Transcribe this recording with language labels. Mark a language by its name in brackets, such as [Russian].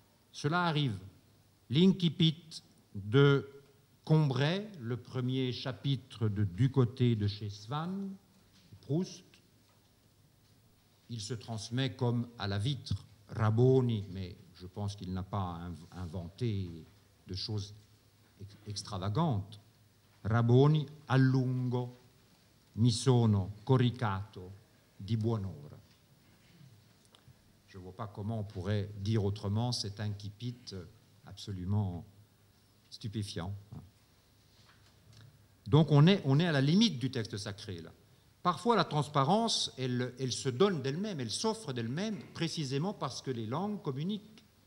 [French] Cela arrive. L'incipit de Combray, le premier chapitre de Du côté de chez Swann, Proust, il se transmet comme à la vitre, Raboni, mais je pense qu'il n'a pas inventé de choses extravagantes. [Italian] Raboni, a lungo, mi sono coricato di buon'ora. [French] Je ne vois pas comment on pourrait dire autrement cet incipit absolument stupéfiant. Donc on est à la limite du texte sacré. Là. Parfois la transparence, elle se donne d'elle-même, elle s'offre d'elle-même, précisément parce que les langues communiquent.